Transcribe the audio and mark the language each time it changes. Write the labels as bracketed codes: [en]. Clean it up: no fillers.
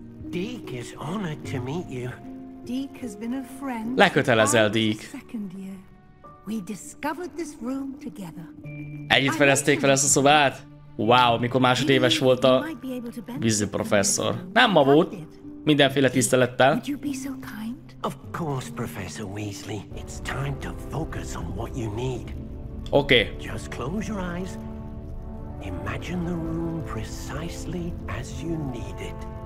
[en] Deke is honored to meet you. Deke has been a friend. Lekötelezel, Deke. We discovered this room together. [hu] Együtt fedezték fel ezt a szobát. Wow, mikor másodéves volt a Wizzy professzor. Nem ma volt. Mindenféle tisztelettel. [en] Of course, Professor Weasley. It's time to focus on what you need. Okay. Just close your eyes. Imagine the room precisely as you need it.